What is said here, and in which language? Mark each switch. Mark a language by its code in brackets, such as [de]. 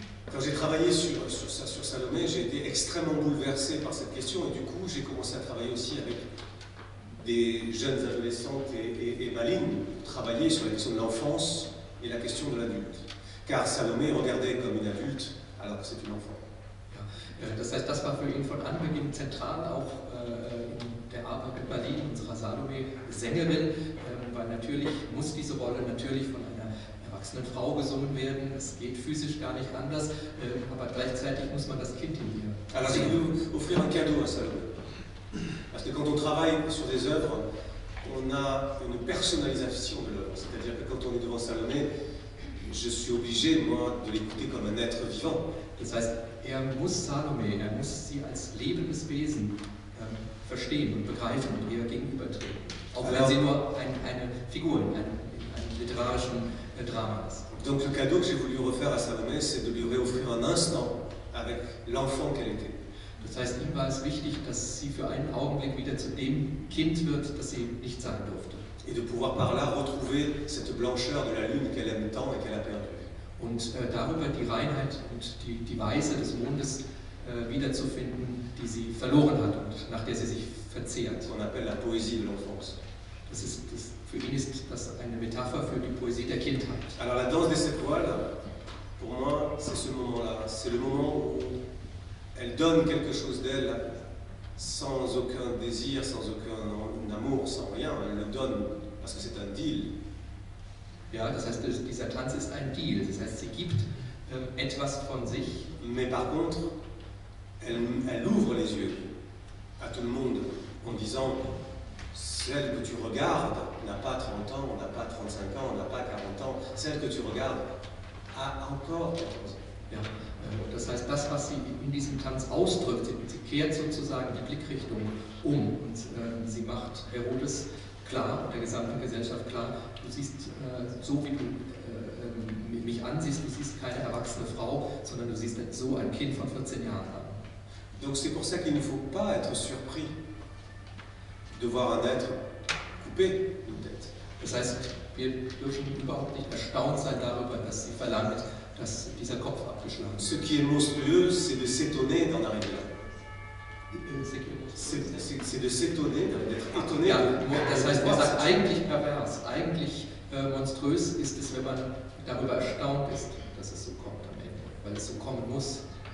[fr] Quand j'ai travaillé sur Salomé, j'ai été extrêmement bouleversé par cette question et du coup, j'ai commencé à travailler aussi avec des jeunes adolescentes et malignes, travailler sur la question de l'enfance et la question de l'adulte. Car Salomé regardait comme une adulte alors que c'est une enfant. [de] Das heißt, das war für ihn von Anbeginn zentral, auch in der Arbeit mit Berlin, unserer Salome-Sängerin, weil natürlich muss diese Rolle natürlich von einer erwachsenen Frau gesungen werden, es geht physisch gar nicht anders, aber gleichzeitig muss man das Kind in ihr. [fr] Alors, je veux offrir un cadeau à Salome. Parce que quand on travaille sur des œuvres, on a une personnalisation de l'œuvre. C'est-à-dire que quand on est devant Salome, je suis obligé, moi, de l'écouter comme un être vivant. [de] Das heißt, er muss sie als lebendes Wesen verstehen und begreifen und ihr gegenübertreten. Auch wenn sie nur eine Figur in einem literarischen Drama ist. [fr] Donc le cadeau que j'ai voulu refaire à Salomé, c'est de lui réoffrir un instant avec l'enfant qu'elle était. [de] Das heißt, ihm war es wichtig, dass sie für einen Augenblick wieder zu dem Kind wird, das sie nicht sein durfte. [fr] Et de pouvoir par là retrouver cette blancheur de la lune qu'elle aime tant et qu'elle a perdue. [de] Und darüber die Reinheit und die Weise des Mondes wiederzufinden, die sie verloren hat und nach der sie sich verzehrt. [fr] On appelle la poésie de l'enfance. [de] Für ihn ist das eine Metapher für die Poesie der Kindheit. [fr] Alors la danse des étoiles, pour moi, c'est ce moment-là. C'est le moment où elle donne quelque chose d'elle sans aucun désir, sans aucun amour, sans rien. Elle le donne parce que c'est un deal. [de] Ja, das heißt, dieser Tanz ist ein Deal. Das heißt, sie gibt etwas von sich. [fr] Mais par contre, elle ouvre les yeux à tout le monde en disant, celle que tu regardes n'a pas 30 ans, n'a pas 35 ans, n'a pas 40 ans. Celle que tu regardes a encore quelque chose. [de] Ja, das heißt, das, was sie in diesem Tanz ausdrückt, sie kehrt sozusagen die Blickrichtung um und sie macht Herodes klar, der gesamten Gesellschaft klar, du siehst, so wie du mich ansiehst, du siehst keine erwachsene Frau, sondern du siehst so ein Kind von 14 Jahren an. [fr] Donc c'est pour ça qu'il ne faut pas être surpris de voir un être coupé une tête. [de] Das heißt, wir dürfen überhaupt nicht erstaunt sein darüber, dass sie verlangt, dass dieser Kopf abgeschlagen wird. [fr] Ce qui est monstrueux, c'est de s'étonner d'en arriver là. C'est de s'étonner, d'être étonné. [de] Ja, das heißt, man sagt eigentlich pervers, eigentlich monströs ist es, wenn man darüber erstaunt ist, dass es so kommt am Ende, weil es so kommen muss.